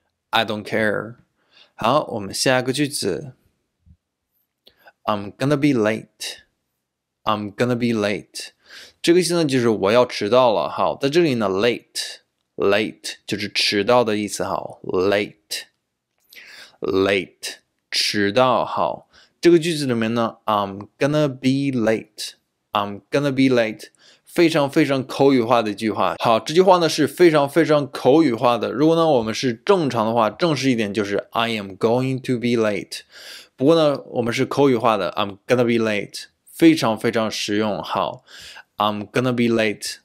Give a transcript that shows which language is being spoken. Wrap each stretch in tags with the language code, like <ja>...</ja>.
<en>I don't care.</en> <zh>好，我们下一个句子。</zh> <en>I'm gonna be late. I'm gonna be late.</en> <zh>这个意思呢，就是我要迟到了。好，在这里呢 ，late, late 就是迟到的意思。好 ，late, late 迟到。好。这个句子里面呢 ，</zh> <en>I'm gonna be late. I'm gonna be late.</en> <zh>非常非常口语化的一句话。好，这句话呢是非常非常口语化的。如果呢我们是正常的话，正式一点就是</zh> <en>I am going to be late.</en> <zh>不过呢我们是口语化的 ，</zh> <en>I'm gonna be late.</en> <zh>非常非常实用。好 ，</zh> <en>I'm gonna be late.</en>